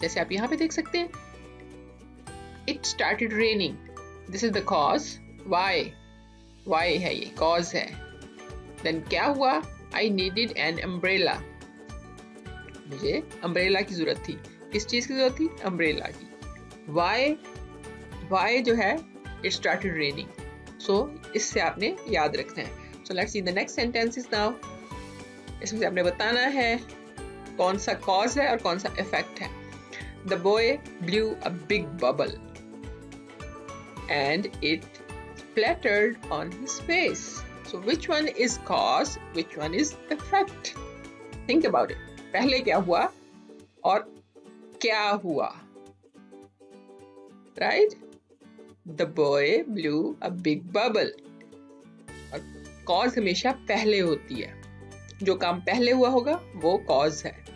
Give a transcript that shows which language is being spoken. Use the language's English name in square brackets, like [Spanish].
[Urdu] جیسے آپ یہاں پہ دیکھ سکتے ہیں، [English] it started raining، this is the cause. Why? [Urdu] Why ہے یہ cause ہے. Then کیا ہوا، [English] I needed an umbrella، [Urdu] مجھے umbrella کی ضرورت تھی. کس چیز کی ضرورت تھی؟ umbrella کی. [English] Why؟ Why [Urdu] جو ہے [English] it started raining. [Urdu] So, اس سے آپ نے یاد رکھنا ہے. [English] So, let's see the next sentences now. [Urdu] اس میں سے آپ نے بتانا ہے کون سا کاز ہے اور کون سا افیکٹ ہے. [English] The boy blew a big bubble and it splattered on his face. So, which one is cause, which one is effect? Think about it. [Urdu] پہلے کیا ہوا اور کیا ہوا، right? [English] The boy blew a big bubble. [Urdu] اور cause ہمیشہ پہلے ہوتی ہے، جو کام پہلے ہوا ہوگا وہ کاز ہے.